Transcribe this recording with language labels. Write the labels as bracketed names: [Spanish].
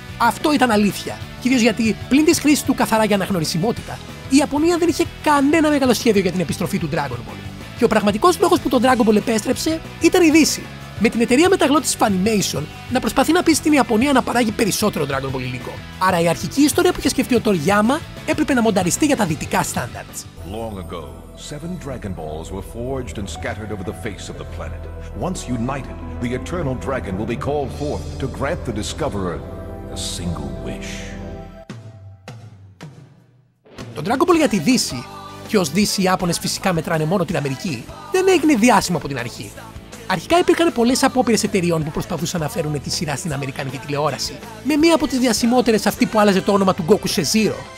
[Greek] Αυτό ήταν αλήθεια. Κυρίως γιατί πλην της χρήσης του καθαρά για αναγνωρισιμότητα, η Ιαπωνία δεν είχε κανένα μεγάλο σχέδιο για την επιστροφή του Dragon Ball. Και ο πραγματικός λόγος που το Dragon Ball επέστρεψε ήταν η Δύση. Με την εταιρεία μεταγλώτης Funimation να προσπαθεί να πείσει την Ιαπωνία να παράγει περισσότερο Dragon Ball υλικό. Άρα η αρχική ιστορία που είχε σκεφτεί ο Toriyama έπρεπε να μονταριστεί για τα δυτικά standards. [English] Long ago, seven Dragon Balls were forged and scattered over the face of the planet. Once united, the Eternal Dragon will be called forth to grant the discoverer a single wish. [Greek] Το Dragon Ball για τη Δύση, και ως Δύση οι Ιάπωνες φυσικά μετράνε μόνο την Αμερική, δεν έγινε διάσημο από την αρχή. Αρχικά υπήρχαν πολλές απόπειρες εταιριών που προσπαθούσαν να φέρουν τη σειρά στην Αμερικανική τηλεόραση, με μία από τις διασημότερες αυτή που άλλαζε το όνομα του Goku σε Zero.